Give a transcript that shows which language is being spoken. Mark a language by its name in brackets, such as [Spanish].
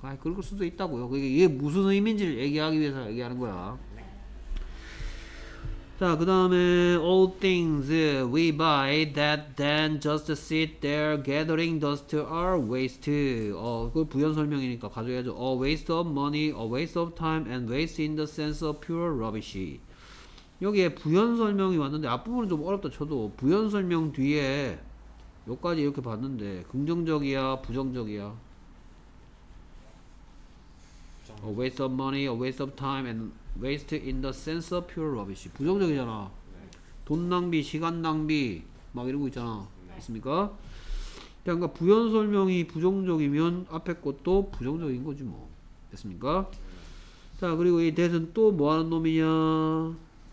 [Korean] 아, 그럴 수도 있다고요. 이게 무슨 의미인지를 얘기하기 위해서 얘기하는 거야. 자, 그 다음에 [English] All things we buy that then just sit there gathering dust are waste. [Korean] 어, 그걸 부연 설명이니까 가져야죠. [English] A waste of money, a waste of time, and waste in the sense of pure rubbish. [Korean] 여기에 부연 설명이 왔는데 앞부분은 좀 어렵다 쳐도 부연 설명 뒤에 여기까지 이렇게 봤는데 긍정적이야, 부정적이야? [English] A waste of money, a waste of time, and waste in the sense of pure rubbish. [Korean] 부정적이잖아. 돈 낭비, 시간 낭비 막 이러고 있잖아. 있습니까? 그러니까 부연 설명이 부정적이면 앞에 것도 부정적인 거지 뭐. 됐습니까? 자, 그리고 이 대신 또 뭐 하는 놈이냐?